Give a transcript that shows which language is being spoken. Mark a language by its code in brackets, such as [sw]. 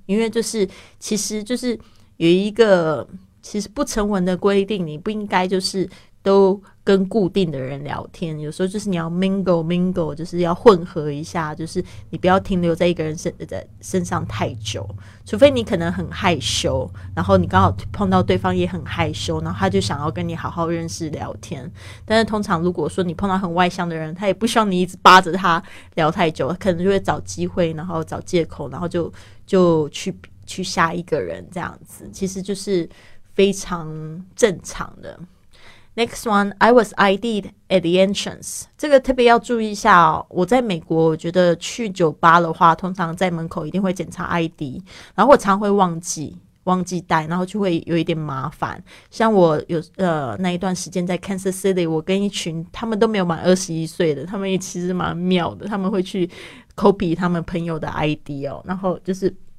[zh] 因为就是其实就是有一个其实不成文的规定，你不应该就是都跟固定的人聊天，有时候就是你要 mingle 就是要混合一下，就是你不要停留在一个人 身上太久，除非你可能很害羞，然后你刚好碰到对方也很害羞，然后他就想要跟你好好认识聊天。但是通常如果说你碰到很外向的人，他也不希望你一直扒着他聊太久，可能就会找机会然后找借口，然后就去下一个人这样子，其实就是非常正常的。 [en] Next one, I was ID'd at the entrance. [zh] 这个特别要注意一下哦。我在美国，我觉得去酒吧的话，通常在门口一定会检查 ID， 然后我常会忘记带，然后就会有一点麻烦。像我有那一段时间在 Kansas City， 我跟一群他们都没有满21岁的，他们也其实蛮妙的，他们会去 copy 他们朋友的 ID 哦，然后就是。